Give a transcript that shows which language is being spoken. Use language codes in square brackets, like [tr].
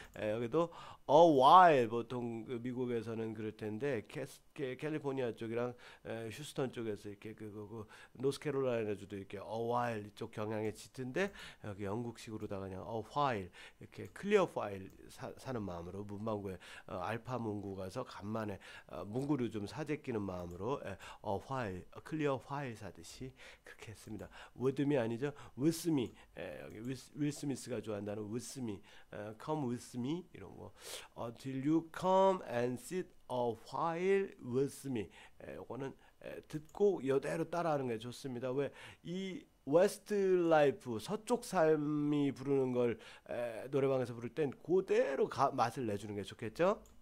[ko] 여기도 a while 보통 그 미국에서는 그럴 텐데 캘리포니아 쪽이랑 휴스턴 쪽에서 이렇게 그거고 노스캐롤라이나주도 이렇게 a while 이쪽 경향에 짙은데 여기 영국식으로다가 그냥 a while 이렇게 클리어 파일 사는 마음으로 문방구에 알파 문구 가서 간만에 문구류 좀 사재끼는 마음으로 a while 클리어 파일 사듯이 그렇게 했습니다. With me 아니죠? With me 여기 윌 스미스가 좋아한다는 With me [en] come with me [ko] 이런 거. [en] Till you come and sit a while with me. [ko] 이거는 듣고 이대로 따라하는 게 좋습니다. 왜이 West Life 서쪽 삶이 부르는 걸 노래방에서 부를 땐 그대로 맛을 내주는 게 좋겠죠?